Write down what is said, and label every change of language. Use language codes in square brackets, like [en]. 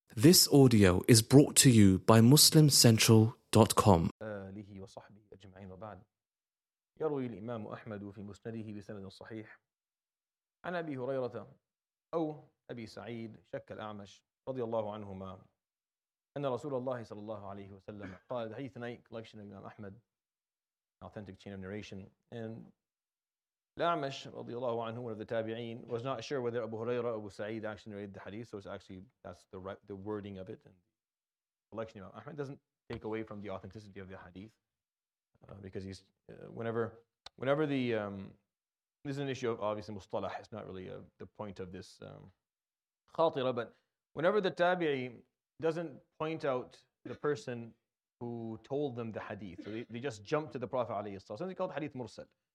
[en] This audio is brought to you by MuslimCentral.com. [ar] آله وصحبه أجمعين وبعد. يروي الإمام أحمد في مسنده بسند صحيح عن أبي هريرة أو أبي سعيد شك الأعمش رضي الله عنهما أن رسول الله صلى الله عليه وسلم قال حديث نائي [en] collection of Imam Ahmad, authentic chain of narration. And الأعمش رضي الله عنه, one of the تابعين, was not sure whether Abu Huraira or Abu Sa'id actually narrated the hadith, so it's actually, that's the wording of it. And the collection of Imam Ahmad doesn't take away from the authenticity of the hadith, because he's, whenever the, this is an issue of obviously mustalah, it's not really the point of this khatira, but whenever the tabi'i doesn't point out the person who told them the hadith, so they just jump to the Prophet alayhi salam, something called hadith mursal.